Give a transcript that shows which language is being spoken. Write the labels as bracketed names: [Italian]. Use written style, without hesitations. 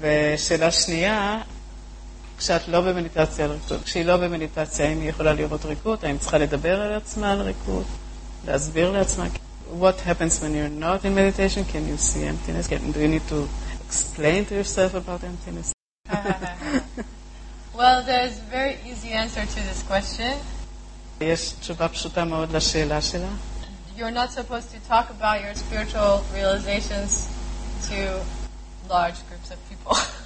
[Hebrew] ושאלה שנייה, כשאת לא במדיטציה על ריקוד, כשהיא לא במדיטציה, האם היא יכולה לראות ריקוד? האם צריכה לדבר על עצמה על ריקוד? להסביר לעצמה? [English] What happens when you're not in meditation? Can you see emptiness? Do you need to explain to yourself about emptiness? Well, there's a very easy answer to this question. [Hebrew] יש תשובה פשוטה מאוד לשאלה שלה. [English] You're not supposed to talk about your spiritual realizations to large groups of people.